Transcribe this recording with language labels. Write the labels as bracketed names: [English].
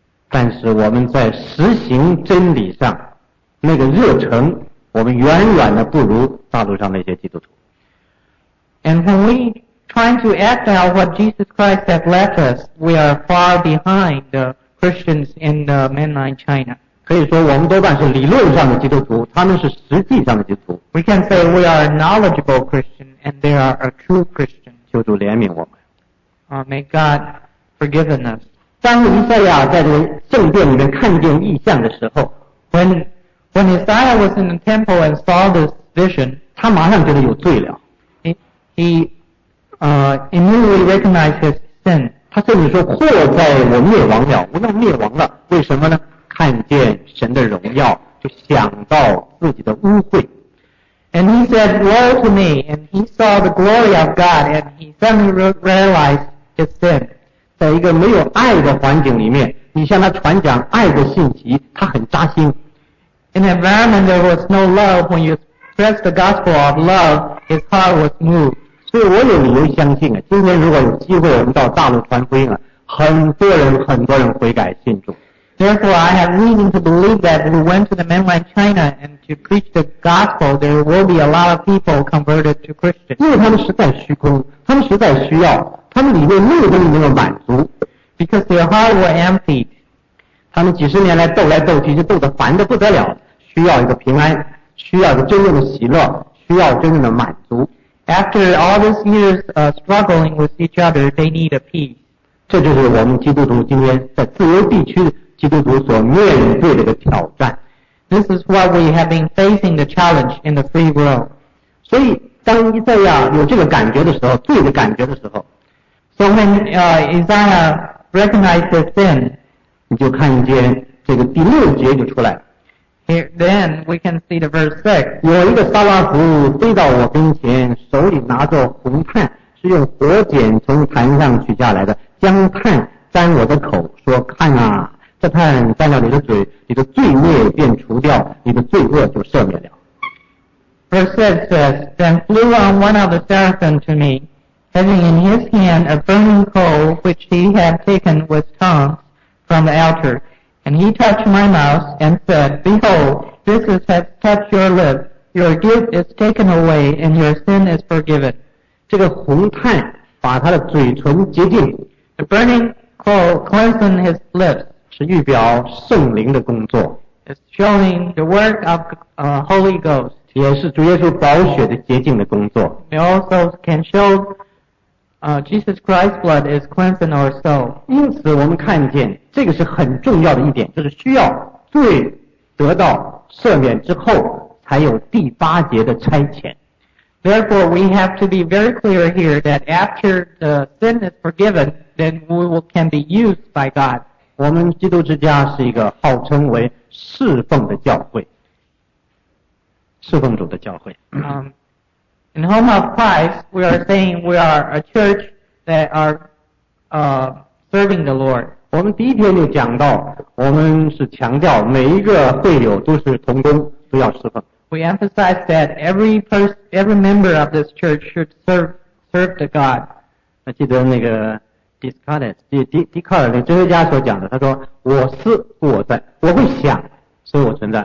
[Chinese] 但是我们在实行真理上，那个热忱。我们远远的不如大陆上那些基督徒。 [English] And when we try to act out what Jesus Christ has left us, we are far behind the Christians in the mainland China. [Chinese] 可以说我们多半是理论上的基督徒，他们是实际上的基督徒。 [English] We can say we are a knowledgeable Christian and they are a true Christian. [Chinese] 求主怜悯我们。 [English] May God forgive us. [Chinese] 当弥赛亚在这个圣殿里面看见异象的时候 [English] When Isaiah was in the temple and saw this vision, [Chinese] 他马上觉得有罪了。 [English] He immediately recognized his sin. [Chinese] 他甚至说祸在我灭亡了，我要灭亡了。为什么呢？看见神的荣耀，就想到自己的污秽。 [English] And he said, "Woe to me!" And he saw the glory of God, and he suddenly realized his sin. [Chinese] 在一个没有爱的环境里面，你向他传讲爱的信息，他很扎心。 [English] In an environment there was no love, when you spread the gospel of love, his heart was moved. [Chinese] 所以我有理由相信啊，今天如果有机会我们到大陆传福音啊，很多人很多人悔改信主。 [English] Therefore, I have reason to believe that if we went to the mainland China and to preach the gospel, there will be a lot of people converted to Christians. [Chinese] 因为他们实在虚空，他们实在需要，他们里面没有那么满足。 [English] Because their heart were empty. [Chinese] 他们几十年来斗来斗去，就斗得烦得不得了，需要一个平安，需要一个真正的喜乐，需要真正的满足。 [English] After all these years struggling with each other, they need a peace. [Chinese] 这就是我们基督徒今天在自由地区基督徒所面对的一个挑战。 [English] This is what we have been facing the challenge in the free world. [Chinese] 所以当伊赛亚有这个感觉的时候，罪的感觉的时候 [English] ，So when Isaiah recognized the sin. [Chinese] 你就看见这个第六节就出来了。 [English] Here, then we can see the verse 6. [Chinese] 有一个撒拉弗飞到我跟前，手里拿着红炭，是用火剪从坛上取下来的，将炭沾我的口，说说看啊，这看干了你的嘴，你的罪孽便除掉，你的罪恶就赦免了。 [English] Verse 6 says, Then flew on one of the seraphim to me, having in his hand a burning coal which he had taken with tongs from the altar. And he touched my mouth and said, Behold, this has touched your lips. Your guilt is taken away and your sin is forgiven. [Chinese] 这个红炭把他的嘴唇洁净。 [English] The burning coal cleansed his lips. [Chinese] 是预表圣灵的工作。 [English] It's showing the work of Holy Ghost. [Chinese] 也是主耶稣宝血的洁净的工作。 [English] It also can show Jesus Christ's blood is cleansing our soul. [Chinese] 因此我们看见这个是很重要的一点，就是需要罪得到赦免之后才有第八节的差遣。 [English] Therefore, we have to be very clear here that after the sin is forgiven, then we can be used by God. [Chinese] 我们基督之家是一个号称为侍奉的教会。侍奉主的教会。 [English] In the home of Christ, we are saying we are a church that are serving the Lord. [Chinese] 我们第一天就讲到，我们是强调每一个会友都是同工，都要侍奉。 [English] We emphasize that every member of this church should serve the God. [Chinese] 那记得那个 笛卡尔那哲学家所讲的，他说：“我思故我在，我会想，所以我存在。